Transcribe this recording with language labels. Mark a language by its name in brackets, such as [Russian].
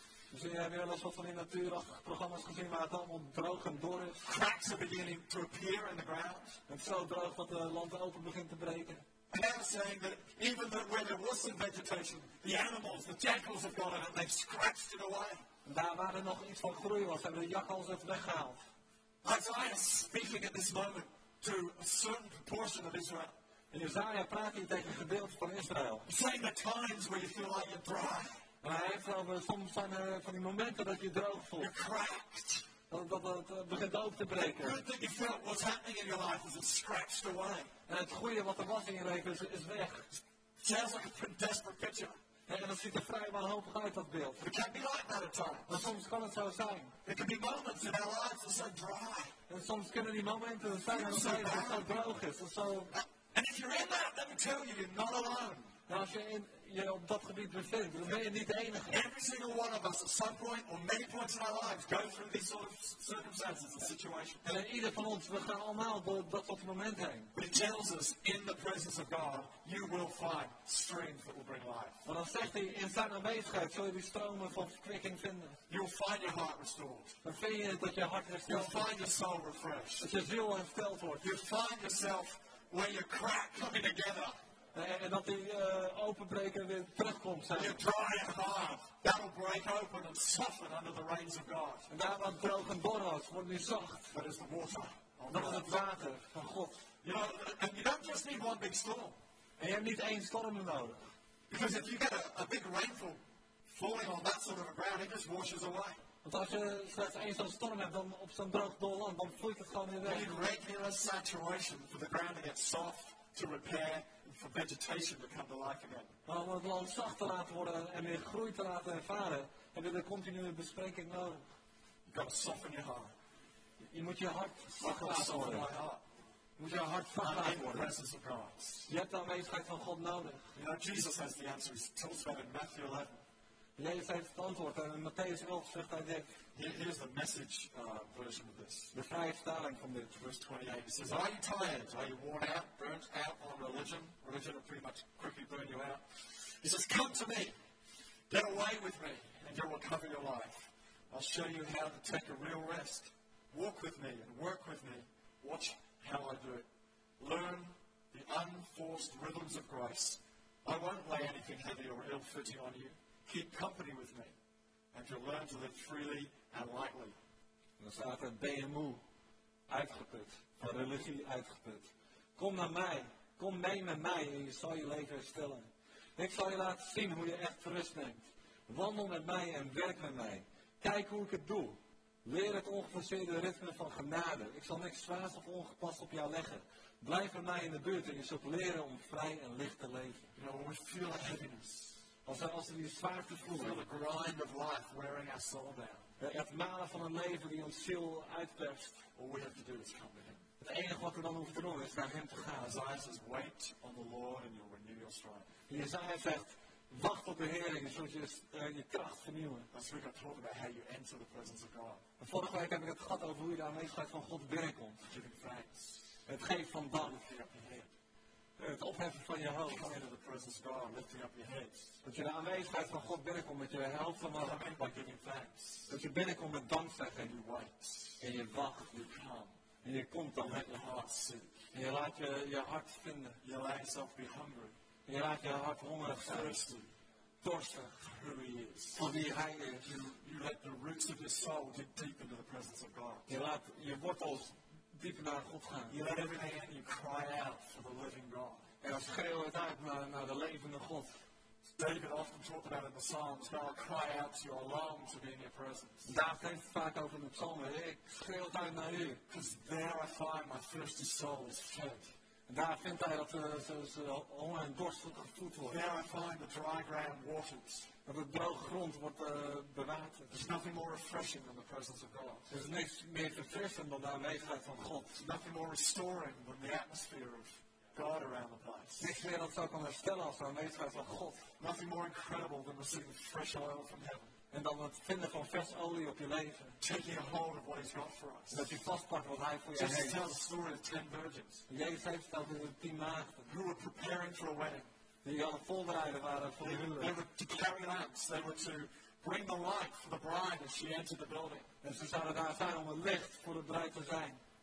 [Dutch] Dus jullie hebben wel eens wat van die natuurachtige programma's gezien waar het allemaal droog en dor is. [English] Cracks are beginning to appear in the ground. [Dutch] Het is zo droog dat de land open begint te breken. [English] And I'm saying that even though where there was some vegetation, the animals, the jackals have gone and they've scratched it away. [Dutch] Daar waar er nog iets van groei was, hebben de jackals het weggehaald. [English] Isaiah is speaking at this moment to a certain proportion of Israel. [Dutch] En Isaiah praat hier tegen een gedeelte van Israël. [English] Saying the times where you feel like you're dry. [Dutch] En hij heeft over soms van die momenten dat je droog voelt. [English] You're cracked. [Dutch] Dat begint open te breken. [English] You felt what's happening in your life is scratched away. [Dutch] En het goede wat er was in je leven is weg. [English] It sounds like a pretty desperate picture. [Dutch] En dat ziet er vrij wanhopig uit, dat beeld. [English] It can be like that at times. [Dutch] Maar soms kan het zo zijn. [English] It can be moments in our lives that are so dry. [Dutch] En soms kunnen die momenten zijn dat het zo droog is. [English] And if you're in that, let me tell you, you're not alone. [Dutch] Nou, als je je op dat gebied bevindt, dan ben je niet de enige. [English] Every single one of us at some point or many points in our lives go through these sort of circumstances and situations. [Dutch] En ieder van ons, we gaan allemaal door dat soort momenten heen. [English] But it tells us, in the presence of God, you will find streams that will bring life. [Dutch] Maar dan zegt hij, in zijn aanwezigheid zul je die stromen van verkwikking vinden. [English] You'll find your heart restored. [Dutch] Dan vind je dat je hart hersteld. [English] You'll find your soul refreshed. [Dutch] Dat je ziel hersteld wordt. [English] You'll find yourself where you crack coming together. [Dutch] En dat die openbreken weer terugkomt. [English] Je dry and hard, that'll break open and soften under the rains of God. [Dutch] En daar wat droog en dor was, wordt nu zacht. [English] That is the water. [Dutch] Dat is het water van God. [English] You know, and you don't just need one big storm. [Dutch] En je hebt niet één storm nodig. [English] Because if you get a big rainfall falling on that sort of a ground, it just washes away. [Dutch] Want als je slechts één zo'n storm hebt dan op zo'n droog dol land, dan vloeit het gewoon weer weg. [English] You need regular saturation for the ground to get soft, to repair. For vegetation to come to life again. [Dutch] Om het land zacht te laten worden en weer groei te laten ervaren, heb je de continue bespreking nodig. [English] You got to soften your heart. [Dutch] Je moet je hart zacht laten worden. Je moet je hart zacht laten worden. Je hebt de aanwezigheid van God nodig. [English] You know, Jesus has the answer. He tells us in Matthew 11. [Dutch] Jezus heeft het antwoord en in Matthäus 11 zegt hij dit. [English] Here's the message version of this. [Dutch] De vrije vertaling van dit. [English] Verse 28. It says, are you tired? Are you worn out? Burnt out on religion? Religion will pretty much quickly burn you out. He says, come to me. Get away with me and you'll recover your life. I'll show you how to take a real rest. Walk with me and work with me. Watch how I do it. Learn the unforced rhythms of grace. I won't lay anything heavy or ill-fitting on you. Keep company with me. And you'll learn to live freely and lightly. [Dutch] En dan staat er, ben je moe, uitgeput, van religie uitgeput. Kom naar mij, kom mee met mij en je zal je leven herstellen. Ik zal je laten zien hoe je echt rust neemt. Wandel met mij en werk met mij. Kijk hoe ik het doe. Leer het ongeforceerde ritme van genade. Ik zal niks zwaars of ongepast op jou leggen. Blijf met mij in de buurt en je zult leren om vrij en licht te leven. [English] You know, we feel like happiness. [Dutch] Als we die zwaarte voelen. [English] Feel the grind of life wearing our soul down. [Dutch] Het malen van een leven die ons ziel uitperst. [English] All we have to do is come to him. [Dutch] Het enige wat we dan hoeven te doen is naar hem te gaan. [English] Isaiah says, wait on the Lord and you'll renew your strength. [Dutch] Isaiah zegt, wacht op de Heer en je zult je kracht vernieuwen. [English] Last week I talked about how you enter the presence of God. [Dutch] En vorige week heb ik het gehad over hoe je de aanwezigheid van God binnenkomt. [English] Giving thanks. [Dutch] Het geeft van dank. Het opheffen van je hoofd. [English] Come into the presence of God, lifting up your heads. [Dutch] Dat je de aanwezigheid van God binnenkomt met je hoofd van [English] God. Amen, by giving thanks. [Dutch] Dat je binnenkomt met dankzegging. [English] And you wait. [Dutch] En je wacht. [English] You come. [Dutch] En je komt dan. [English] Let your heart sink. [Dutch] En je laat je hart vinden. [English] You allow yourself to be hungry. [Dutch] En je laat je hart hongerig zijn. [English] Thirsty. [Dutch] Dorstig. [English] Who he is. [Dutch] Van wie hij is. [English] You let the roots of your soul dig deep into the presence of God. [Dutch] Je laat je wortels dieper naar God gaan. [English] You let everything in, you cry out for the living God. [Dutch] En dan schreeuw het uit naar de levende God. [English] David often talked about in the Psalms, God, I cry out to you, I long to be in your presence. [Dutch] David heeft het vaak over in de Psalmen, ik schreeuw het uit naar u. [English] Because there I find my thirsty soul is fed. [Dutch] En daar vindt hij dat ze honger en dorst gevoed wordt. [English] There I find the dry ground waters. [Dutch] Dat het droge grond wordt bewaterd. [English] There's nothing more refreshing than the presence of God. [Dutch] Er is niks meer verfrissend dan de aanwezigheid van God. [English] There's nothing more restoring than the atmosphere of God around the place. [Dutch] Niks meer dat zou kunnen herstellen als de aanwezigheid van God. [English] Nothing more incredible than receiving fresh oil from heaven. [Dutch] En dan het vinden van vers olie op je leven. [English] Taking a hold of what he's got for us. [Dutch] Dat je vastpakt wat hij voor je heeft. [English] Jesus tells the story of 10 virgins. [Dutch] Jezus heeft verteld over 10 maagden. [English] Who were preparing for a wedding. [Dutch] Die al voorbereiden waren voor de huwelijk. [English] They were to carry lamps. They were to bring the light for the bride as she entered the building. [Dutch] En ze zouden daar zijn om een licht voor de bruid te zijn.